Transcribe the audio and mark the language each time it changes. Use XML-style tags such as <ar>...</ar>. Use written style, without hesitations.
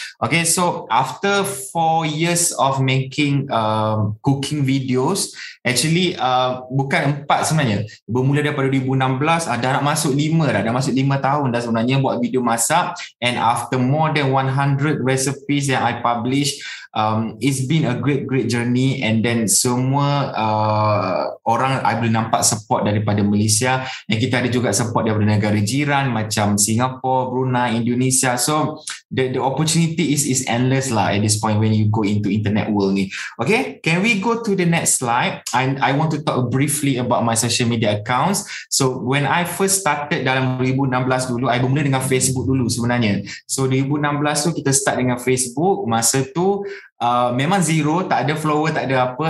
<en>Okay, so after 4 years of making cooking videos, actually</en> <ms>bukan 4 sebenarnya, bermula daripada 2016, dah nak masuk 5 dah, dah masuk 5 tahun dah sebenarnya buat video masak.</ms> <en>And after more than 100 recipes yang I publish, it's been a great journey. And then</en> <ms>semua orang I boleh nampak support daripada Malaysia, dan kita ada juga support daripada negara jiran macam Singapore, Brunei, Indonesia.</ms> <en>So the opportunity is endless lah at this point when you go into internet world ni. Okay, can we go to the next slide? I want to talk briefly about my social media accounts. So when I first started</en> <ms>dalam 2016 dulu, I bermula dengan Facebook dulu sebenarnya. So 2016 tu kita start dengan Facebook. Masa tu memang zero, tak ada follower, tak ada apa.</ms>